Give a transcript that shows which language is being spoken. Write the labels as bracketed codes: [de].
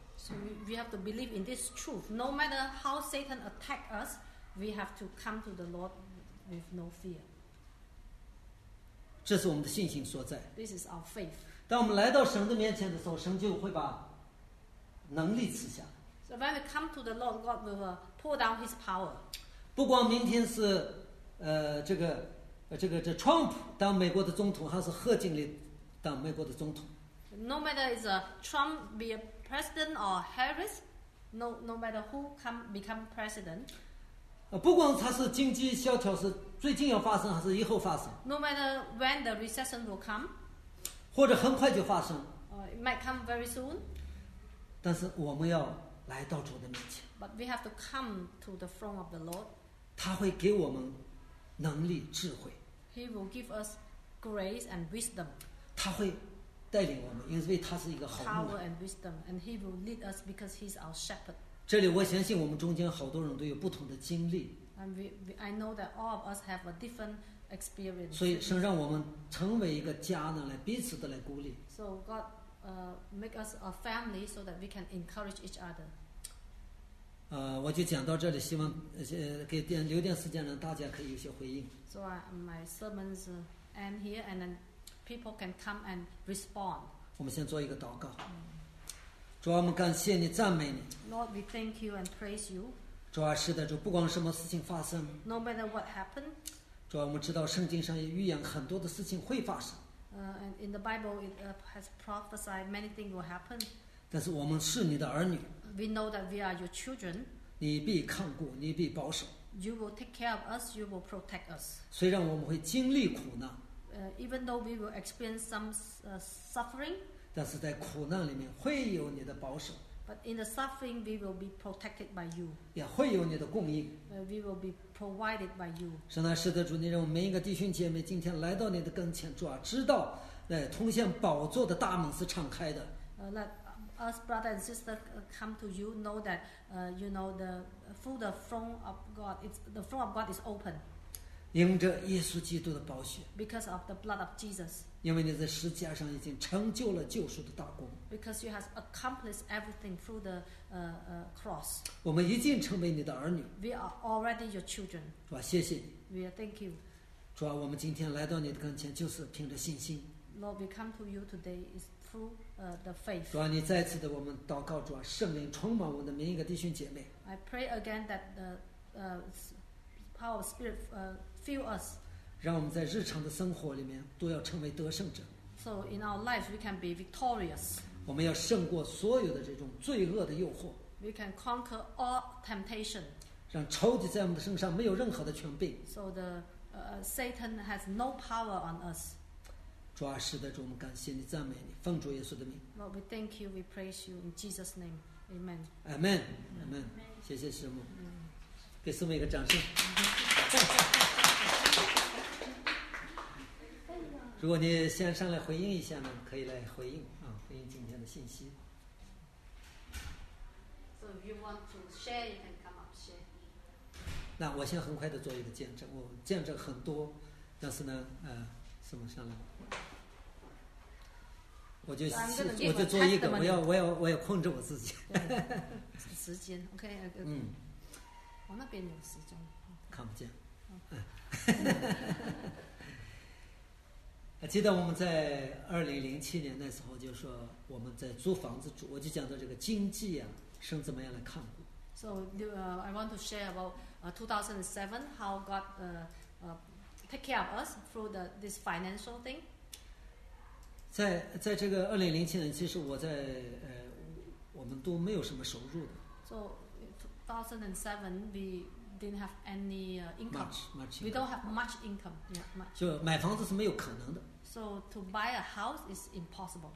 [en] So we have to believe in this truth. No matter how Satan attack us, we have to come to the Lord with no fear. [zh] 这是我们的信心所在。 [en] This is our faith. [zh] 当我们来到神的面前的时候，神就会把能力赐下。 [en] So when we come to the Lord, God will pull down His power. [zh] 不光明天是这 Trump 当美国的总统，还是贺锦丽当美国的总统。 [en] No matter is a Trump be a president or Harris, no matter who become president. [zh] 不光它是经济萧条是最近要发生还是以后发生。 [en] No matter when the recession will come. [zh] 或者很快就发生。 [en] It might come very soon. [zh] 但是我们要来到主的面前。 [en] But we have to come to the throne of the Lord. [zh] 他会给我们能力智慧。 [en] He will give us grace and wisdom. [zh] 他会带领我们，因为他是一个好牧人。 [en] Power and wisdom, and he will lead us because he's our shepherd. [zh] 这里我相信我们中间好多人都有不同的经历。 [en] And I know that all of us have a different experience. [zh] 所以神让我们成为一个家呢，来彼此的来鼓励。 [en] So God, make us a family so that we can encourage each other. [zh] 我就讲到这里，希望给点留点时间呢，大家可以有些回应。 [en] So my sermons end here, and then people can come and respond. [zh] 我们先做一个祷告。主啊，我们感谢你，赞美你。 [en] Lord, we thank you and praise you. [zh] 主啊，是的，主，不管什么事情发生。 [en] No matter what happened. [zh] 主啊，我们知道圣经上也预言很多的事情会发生。 [en] And in the Bible, it has prophesied many things will happen. [zh] 但是我们是你的儿女。 [en] We know that we are your children. [zh] 你必看顾，你必保守。 [en] You will take care of us. You will protect us. [zh] 虽然我们会经历苦难。 [en] Even though we will experience some suffering. [zh] 但是在苦难里面会有你的保守。 [en] But in the suffering, we will be protected by you. [zh] 也会有你的供应。 [en] We will be provided by you. [zh] 神啊，是的，主，你让我们每一个弟兄姐妹今天来到你的跟前，主啊，知道，通向宝座的大门是敞开的。 [en] Let us brother and sister come to you, know that, you know, the through the throne of God, the throne of God is open. [zh] 因着耶稣基督的宝血。 [en] Because of the blood of Jesus. [zh] 因为你在十字架上已经成就了救赎的大功。 [en] Because you have accomplished everything through the cross. [zh] 我们已经成为你的儿女。 [en] We are already your children. [zh] 主啊，谢谢你。 [en] We are thank you. [zh] 主啊，我们今天来到你的跟前，就是凭着信心。 [en] Lord, we come to you today is through the faith. [zh] 主啊，你再次的我们祷告，主啊，圣灵充满我们的每一个弟兄姐妹。 [en] I pray again that the power of spirit fill us. [zh] 让我们在日常的生活里面都要成为得胜者。 [en] So in our life we can be victorious. [zh] 我们要胜过所有的这种罪恶的诱惑。 [en] We can conquer all temptation. [zh] 让仇敌在我们的身上没有任何的权柄。 [en] So the Satan has no power on us. [zh] 主啊，是的，主，我们感谢你，赞美你，奉主耶稣的名。 [en] Lord, we thank you, we praise you in Jesus' name. Amen. [zh] Amen. Amen. Amen. 谢谢师母。给师母一个掌声。如果你先上来回应一下呢，可以来回应啊，回应今天的信息。 [en] So if you want to share, you can come up share. [zh] 那我先很快的做一个见证，我见证很多，但是呢，师母上来，我就做一个，我要控制我自己。时间 ，OK， 我那边有时钟。看不见。记得我们在2007年那时候，就说我们在租房子住，我就讲到这个经济啊，生怎么样来看顾。 [en] So, I want to share about 2007, how God take care of us through this financial thing. [zh] 在这个2007年，其实我在我们都没有什么收入的。 [en] So, 2007, we didn't have any income. Much income. We don't have much income. Yeah, much. [zh] 就买房子是没有可能的。 [en] So to buy a house is impossible.